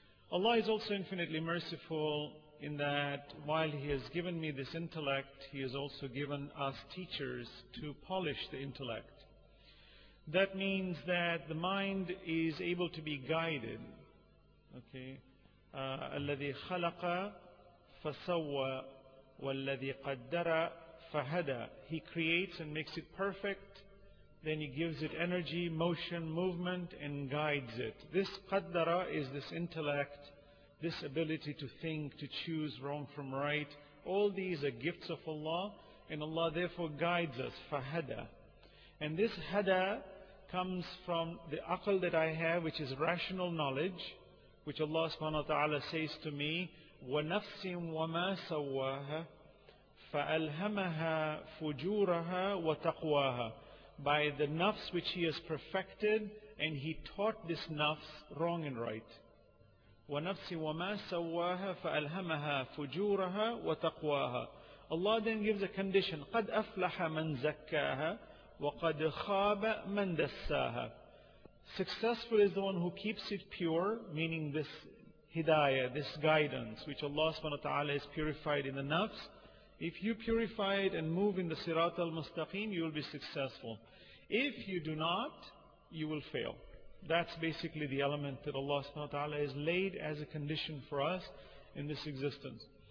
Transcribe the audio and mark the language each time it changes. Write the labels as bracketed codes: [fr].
[en] Allah is also infinitely merciful in that while He has given me this intellect, He has also given us teachers to polish the intellect. That means that the mind is able to be guided. [ar] Okay, الَّذِي خَلَقَ فَسَوَّى وَالَّذِي قَدَّرَ فَهَدَى. [en] He creates and makes it perfect, then He gives it energy, motion, movement, and guides it. This qaddara is this intellect, this ability to think, to choose wrong from right. All these are gifts of Allah, and Allah therefore guides us, fahada. And this hada comes from the aql that I have, which is rational knowledge, which Allah subhanahu wa ta'ala says to me, [ar] وَنَفْسٍ وَمَا سَوَّاهَا فَأَلْهَمَهَا فُجُورَهَا وَتَقْوَاهَا. [en] By the nafs which He has perfected, and He taught this nafs wrong and right. [ar] وَنَفْسِ وَمَا سَوَّاهَا فَأَلْهَمَهَا فُجُورَهَا وَتَقْوَاهَا. [en] Allah then gives a condition, [ar] قَدْ أَفْلَحَ مَنْ زَكَّاهَا وَقَدْ خَابَ مَنْ دَسَّاهَا. [en] Successful is the one who keeps it pure, meaning this hidayah, this guidance, which Allah subhanahu wa ta'ala has purified in the nafs. If you purify it and move in the Sirat al-Mustaqim, you will be successful. If you do not, you will fail. That's basically the element that Allah subhanahu wa ta'ala has laid as a condition for us in this existence.